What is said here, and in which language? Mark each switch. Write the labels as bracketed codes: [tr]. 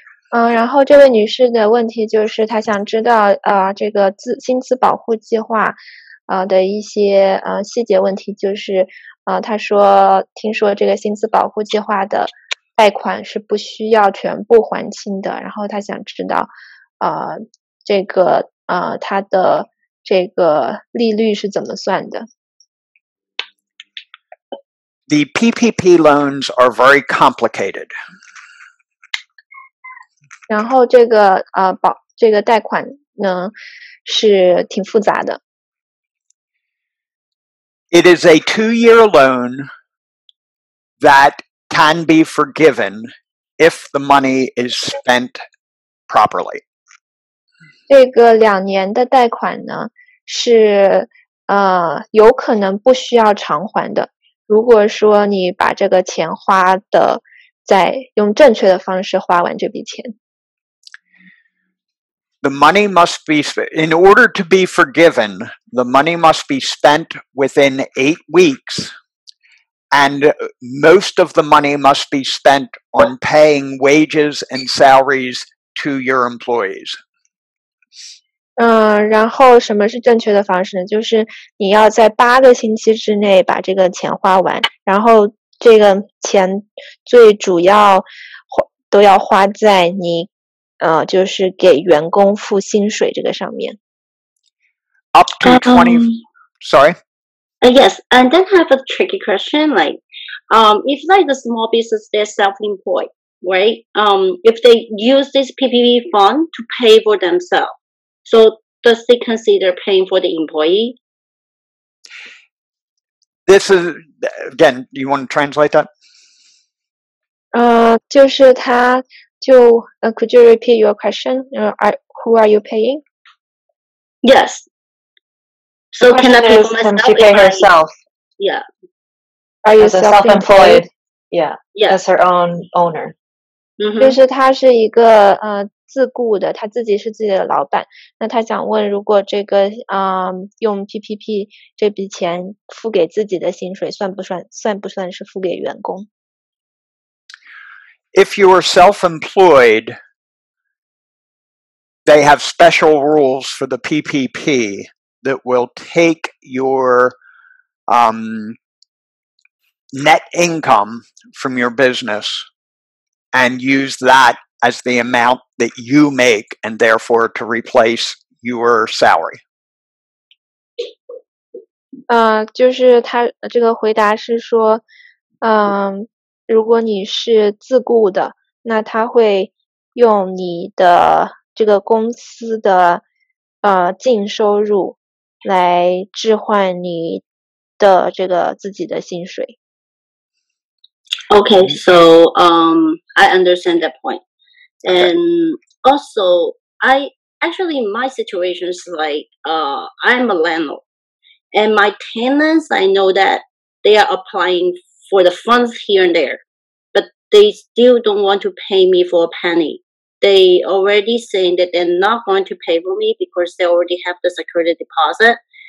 [zh] 然后这位女士的问题就是她想知道这个薪资保护计划的一些细节问题，就是她说听说这个薪资保护计划的贷款是不需要全部还清的，然后她想知道这个她的这个利率是怎么算的。 [en] The PPP loans are very complicated. [zh] 然后这个贷款呢是挺复杂的。 [en] It is a two-year loan that can be forgiven if the money is spent properly. [zh] 这个两年的贷款呢是有可能不需要偿还的。如果说你把这个钱花的在用正确的方式花完这笔钱。 [en] The money must be, in order to be forgiven, the money must be spent within 8 weeks, and most of the money must be spent on paying wages and salaries to your employees. [zh] 然后什么是正确的方式呢？就是你要在8个星期之内把这个钱花完，然后这个钱最主要都要花在你就是给员工付薪水这个上面。 [en] Up to 20, sorry. Yes, and then I have a tricky question. Like, if like the small business, they're self-employed, right? If they use this PPP fund to pay for themselves, so does they consider paying for the employee? This is, again, do you want to translate that? [zh] 就是他 [en] could you repeat your question? Who are you paying? Yes. So can I pay myself? Can she pay herself? Yeah. Are you self-employed? Yeah. As her own owner. [zh] 就是他是一个自雇的，他自己是自己的老板。那他想问，如果这个用 PPP 这笔钱付给自己的薪水，算不算是付给员工？ [en] If you are self-employed, they have special rules for the PPP that will take your net income from your business. And use that as the amount that you make, and therefore to replace your salary. [zh] 就是他这个回答是说，如果你是自雇的，那他会用你的这个公司的净收入来置换你的这个自己的薪水。 [en] Okay, so I understand that point. And also, my situation is like I'm a landlord. And my tenants, I know that they are applying for the funds here and there. But they still don't want to pay me for a penny. They already saying that they're not going to pay for me because they already have the security deposit.